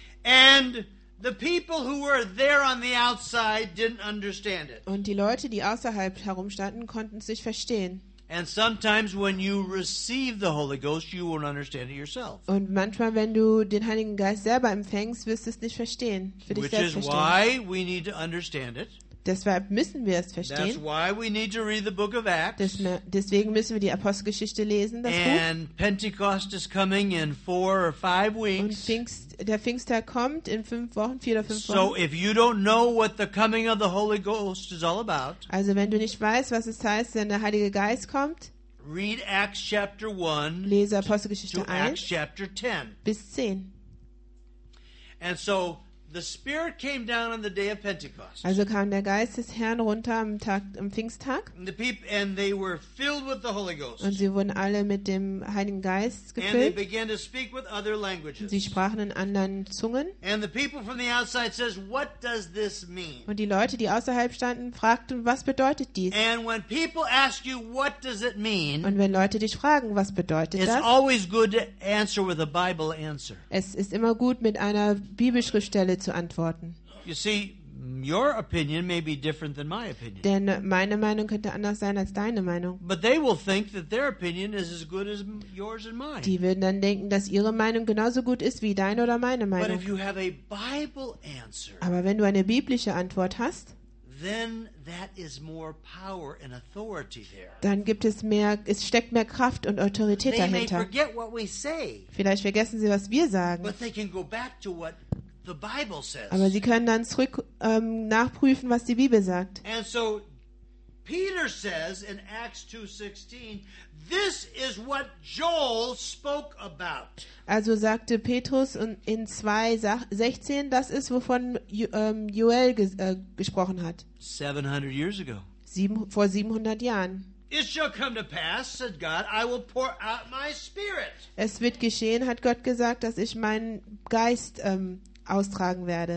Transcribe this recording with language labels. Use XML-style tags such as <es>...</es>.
<en>And the people who were there on the outside didn't understand it.</en> <de>Und die Leute, die außerhalb herumstanden, konnten es nicht verstehen.</de> <en>And sometimes when you receive the Holy Ghost, you won't understand it yourself.</en> <de>Und manchmal, wenn du den Heiligen Geist selber empfängst, wirst du es nicht verstehen.</de> <en>Which is why we need to understand it.</en> <de>Deshalb müssen wir es verstehen.</de> <en>That's why we need to read the book of Acts.</en> <de>Deswegen müssen wir die Apostelgeschichte lesen, das</de> <en>and</en> <de>Buch.</de> <en>Pentecost is coming in 4 or 5 weeks.</en> <de>Und der Pfingsttag kommt in 5 Wochen, 4 oder 5 Wochen.</de> <en>So if you don't know what the coming of the Holy Ghost is all about,</en> <de>also wenn du nicht weißt, was es heißt, wenn der Heilige Geist kommt,</de> <en>read Acts chapter 1,</en> <de>lese Apostelgeschichte 1</de> <en>Acts chapter 10.</en> <de>Bis 10.</de> <en>And so the Spirit came down on the day of Pentecost.</en> <de>Also kam der Geist des Herrn runter am Pfingsttag.</de> <en>And they were filled with the Holy Ghost.</en> <de>Und sie wurden alle mit dem Heiligen Geist gefüllt.</de> <en>And they began to speak with other languages.</en> <de>Sie sprachen in anderen Zungen.</de> <en>And the people from the outside says, "What does this mean?"</en> <de>Und die Leute, die außerhalb standen, fragten, was bedeutet dies?</de> <en>And when people ask you, "What does it mean?"</en> <de>Und wenn Leute dich fragen, was bedeutet</de> <en>it's</en> <de>das?</de> <en>It's always good to answer with a Bible answer.</en> <de>Es ist immer gut, mit einer Bibelschriftstelle zu antworten.</de> <en>You see, your opinion may be different than my opinion.</en> <de>Denn meine Meinung könnte anders sein als deine Meinung.</de> <en>But they will think that their opinion is as good as yours and mine.</en> <de>Die würden dann denken, dass ihre Meinung genauso gut ist wie deine oder meine Meinung.</de> <en>But if you have a Bible answer,</en> <de>aber wenn du eine biblische Antwort hast,</de> <en>then that is more power and authority there.</en> <de>Dann gibt es mehr, es steckt mehr Kraft und Autorität</de> <en>they</en> <de>dahinter.</de> <en>May forget what we say,</en> <de>vielleicht vergessen sie, was wir sagen.</de> <en>But they can go back to what the Bible says.</en> <de>Aber sie können dann zurück nachprüfen, was die Bibel sagt.</de> <en>And so Peter says in Acts 2:16, this is what Joel spoke about.</en> <de>Also sagte Petrus in 2:16, das ist, wovon Joel gesprochen hat.</de> <en>700 years ago.</en> <de>Vor 700 Jahren.</de> <en>It shall come to pass, said God, I will pour out my spirit.</en> <de>Es wird geschehen, hat Gott gesagt, dass ich meinen Geist austragen werde.</de>